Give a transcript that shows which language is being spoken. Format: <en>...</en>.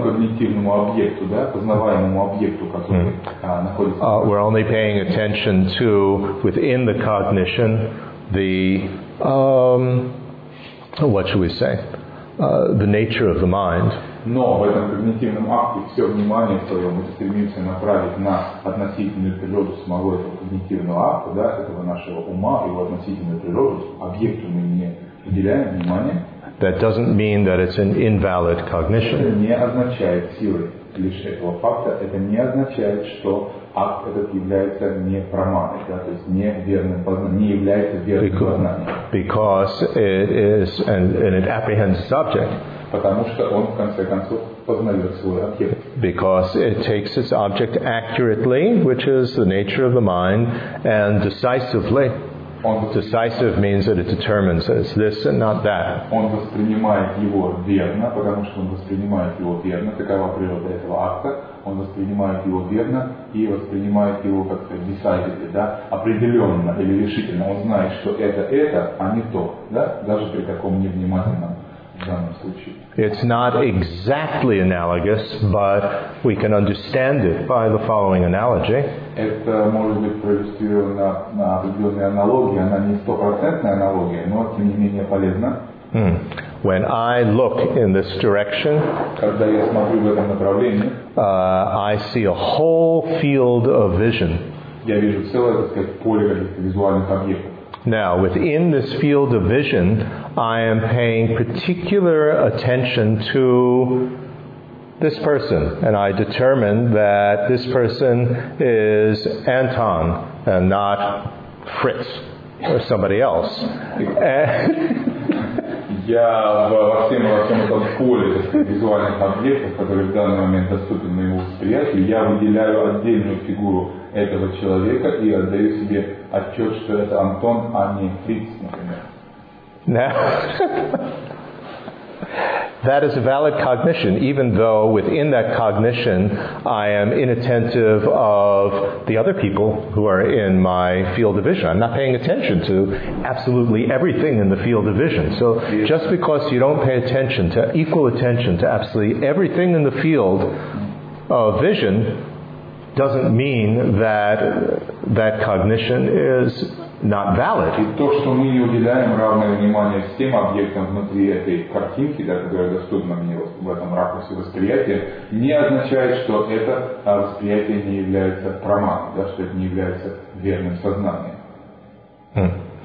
<ru>К когнитивному объекту, да, познаваемому объекту, который находится.</ru> <en>We're only paying attention to within the cognition, the what should we say? The nature of the mind.</en> <ru>Но в этом когнитивном акте все внимание свое мы стремимся направить на относительную природу самого этого когнитивного акта, да, этого нашего ума, его относительную природу, объекту мы не уделяем внимания.</ru> <en>That doesn't mean that it's an invalid cognition.</en> <ru>Это не означает силы лишь этого факта, это не означает, что акт этот является непраманой, да, то есть неверным познанием, не является верным познанием.</ru> <en>Because it is, and it apprehends its object.</en> <ru>Потому что он, в конце концов, познает свой объект.</ru> <en>Because it takes its object accurately, which is the nature of the mind, and decisively. Decisive means that it determines that it's this and not that.</en> <ru>Он воспринимает его верно, потому что он воспринимает его верно, такова природа этого акта. Он воспринимает его верно и воспринимает его как decisively, да, определенно или решительно. Он знает, что это, а не то, да, даже при таком невнимательном.</ru> <en>It's not exactly analogous, but we can understand it by the following analogy.</en> <ru>Это может быть проиллюстрировано на определенной аналогии, она не стопроцентная аналогия, но тем не менее полезна.</ru> <en>When I look in this direction,</en> <ru>когда я смотрю в этом направлении,</ru> <en>I see a whole field of vision.</en> <ru>Я вижу целое, так сказать, поле каких-то визуальных объектов.</ru> <en>Now, within this field of vision, I am paying particular attention to this person, and I determine that this person is Anton and not Fritz or somebody else.</en> <ru>Я во всем этом поле визуальных объектов, которые в данный момент доступны моему восприятию, я выделяю отдельную фигуру этого человека и отдаю себе отчет, что это Антон, а не Фриц, например.</ru> <en>Now, That is a valid cognition, even though within that cognition I am inattentive of the other people who are in my field of vision. I'm not paying attention to absolutely everything in the field of vision. So just because you don't pay attention to equal attention to absolutely everything in the field of vision doesn't mean that that cognition is not valid.</en> <ru>И то, что мы не уделяем равное внимание всем объектам внутри этой картинки, да, которая доступна мне в этом ракурсе восприятия, не означает, что это восприятие не является проманой, да, что это не является верным сознанием.</ru>